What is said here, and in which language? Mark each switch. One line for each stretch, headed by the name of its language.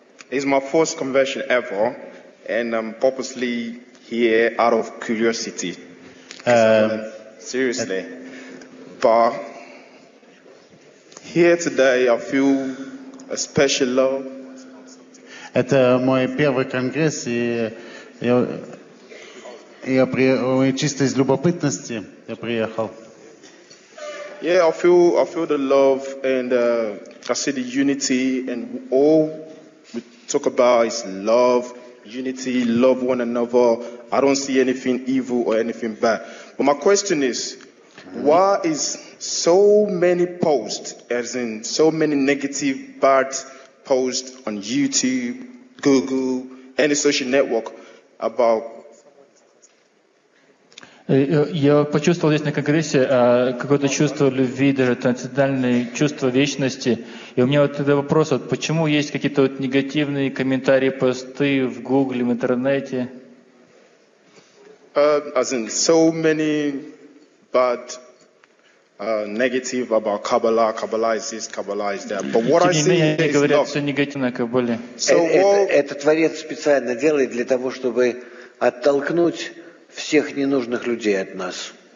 English: It's my first conversion ever, and I'm purposely here out of curiosity. Seriously. But here today, I feel a special love.
Russian: Это мой первый конгресс, и я чисто из любопытности я приехал.
English: Yeah, I feel the love, and I see the unity, and all we talk about is love, unity, love one another. I don't see anything evil or anything bad. But my question is, why is so many posts, as in so many negative, bad posts on YouTube, Google, any social network about?
Russian: Я почувствовал здесь на конгрессе какое-то чувство любви, даже трансцендентальное чувство вечности. И у меня вот тогда вопрос, вот почему есть какие-то вот негативные комментарии, посты в Гугле, в интернете?
English: As in so many bad negative about Kabbalah, Kabbalah is this, Kabbalah is that. But what
Russian: тем не менее, они говорят все негативное о Кабале. Это Творец специально делает для того, чтобы оттолкнуть всех ненужных людей от нас.